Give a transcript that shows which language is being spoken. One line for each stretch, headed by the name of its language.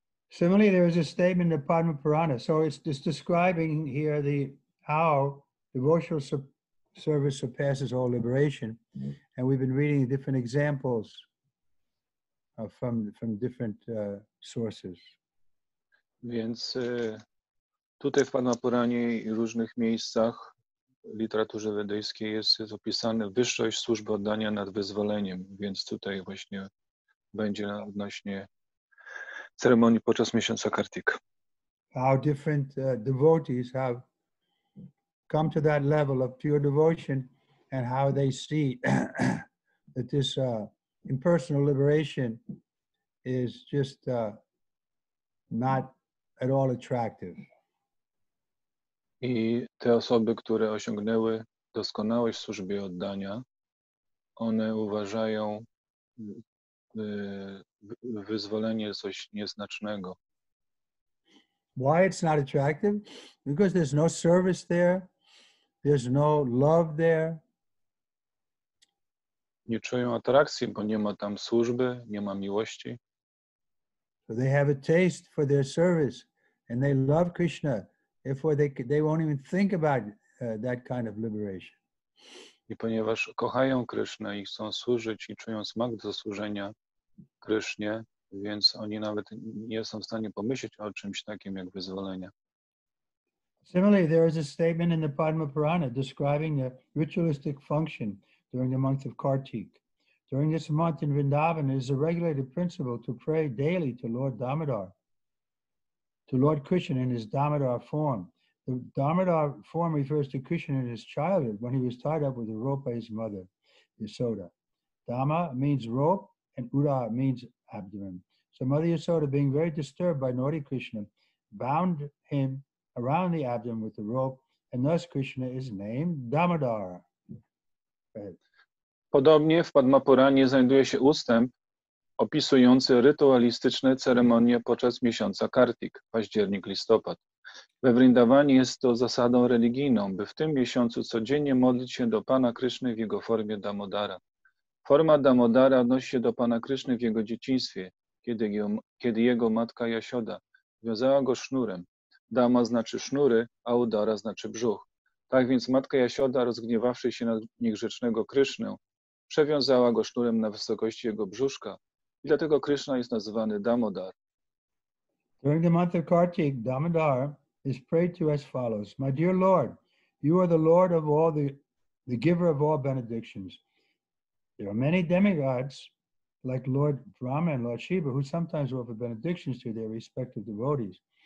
English: Similarly, there is a statement in the Padma Purana. So it's just describing here the how devotional service surpasses all liberation. And we've been reading different examples from different sources.
Polish: Więc tutaj w Padma Puranie i różnych miejscach w literaturze wedyjskiej jest opisane wyższość służby oddania nad wyzwoleniem. Więc tutaj właśnie będzie odnośnie ceremonii podczas miesiąca Kartika.
English: How different devotees have come to that level of pure devotion and how they see that this impersonal liberation is just not at all attractive.
Polish: I te osoby, które osiągnęły doskonałość w służbie oddania, one uważają wyzwolenie coś nieznacznego.
English: Why it's not attractive? Because there's no service there. There's no love there.
Polish: Nie czują atrakcji, bo nie ma tam służby, nie ma miłości.
English: So they have a taste for their service and they love Krishna. Therefore they won't even think about that kind of liberation.
Polish: I ponieważ kochają Krishna i chcą służyć i czują smak do służenia Krysznie, więc oni nawet nie są w stanie pomyśleć o czymś takim jak wyzwolenie.
English: Similarly, there is a statement in the Padma Purana describing the ritualistic function during the month of Kartik. During this month in Vrindavan, it is a regulated principle to pray daily to Lord Damodar, to Lord Krishna in his Damodar form. The Damodar form refers to Krishna in his childhood when he was tied up with a rope by his mother, Yasoda. Dama means rope, and Uda means abdomen. So Mother Yasoda, being very disturbed by naughty Krishna, bound him around the abdomen with the rope, and thus Krishna is named Damodara.
Polish: Podobnie w Padma Puranie znajduje się ustęp opisujący rytualistyczne ceremonie podczas miesiąca Kartik, październik, listopad. We Vrindavanie jest to zasadą religijną, by w tym miesiącu codziennie modlić się do Pana Kryszny w jego formie Damodara. Forma Damodara odnosi się do Pana Kryszny w jego dzieciństwie, kiedy jego matka Jasioda wiązała go sznurem. Dama znaczy sznury, a Udara znaczy brzuch. Tak więc matka Jasioda, rozgniewawszy się na niegrzecznego Krysznę, przewiązała go sznurem na wysokości jego brzuszka. I dlatego Krishna jest nazywany Damodar.
English: During the month of Kartik, Damodar is prayed to as follows. My dear Lord, you are the Lord of all the giver of all benedictions. There are many demigods like Lord Brahma and Lord Shiva who sometimes offer benedictions to their respective devotees.